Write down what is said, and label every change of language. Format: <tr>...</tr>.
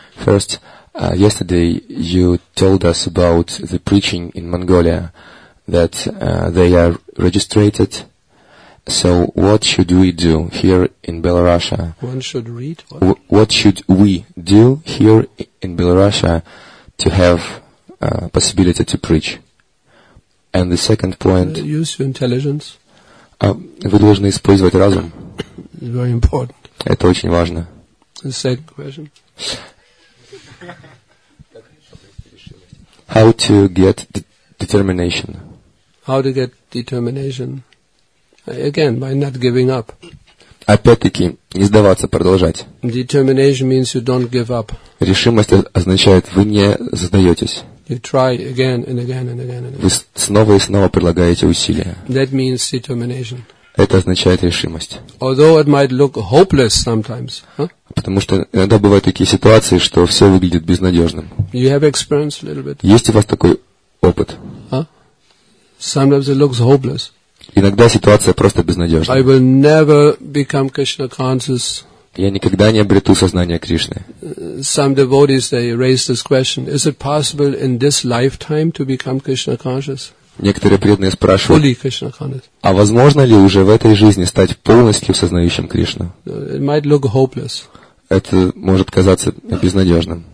<en>First, yesterday you told us about the preaching in Mongolia, that they are registered. So what should we do here in Belarus? One should read what? What should we do here in Belarus to have possibility to preach? And the second point... Use your intelligence.</en> <ru>Вы должны использовать разум.</ru> <en>It's very important.</en> <ru>Это очень важно.</ru> <en>The second question. How to get the determination. How to get determination? Again, by not giving up.</en> <ru>Опять-таки, не сдаваться, продолжать.</ru> <en>Determination means you don't give up.</en> <ru>Решимость означает, вы не сдаетесь.</ru> <en>You try again and again and again and again.</en> <ru>Вы снова и снова прилагаете усилия.</ru> <en>That means determination.</en> <ru>Это означает решимость.</ru> <en>Although it might look hopeless sometimes, huh?</en> <ru>Потому что иногда бывают такие ситуации, что все выглядит безнадежным.</ru> <en>You have experienced a little bit.</en> <ru>Есть у вас такой опыт?</ru> <en>Huh? Sometimes it looks hopeless.</en> <ru>Иногда ситуация просто безнадежна.</ru> <en>I will never become Krishna conscious.</en> <ru>Я никогда не обрету сознание Кришны.</ru> <en>Some devotees, they raise this question: Is it possible in this lifetime to become Krishna conscious?</en> <ru>Некоторые преданные спрашивают, а возможно ли уже в этой жизни стать полностью сознающим Кришну?</ru> <en>It might look hopeless.</en> <ru>Это может казаться безнадежным.</ru>